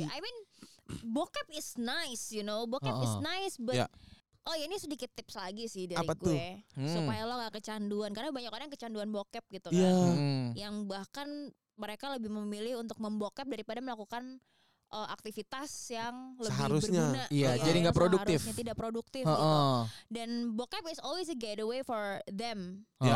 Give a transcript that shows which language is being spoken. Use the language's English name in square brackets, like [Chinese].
[English] I mean, bokep is nice, you know. [Indonesian] Bokep is nice, but oh ya, ini sedikit tips lagi sih dari apa gue tuh? Supaya lo gak kecanduan, karena banyak orang yang kecanduan bokep gitu kan. Yang bahkan mereka lebih memilih untuk membokep daripada melakukan aktivitas yang lebih seharusnya berguna. Iya, jadi gak produktif. Seharusnya tidak produktif gitu. [English] Dan bokep is always a getaway for them.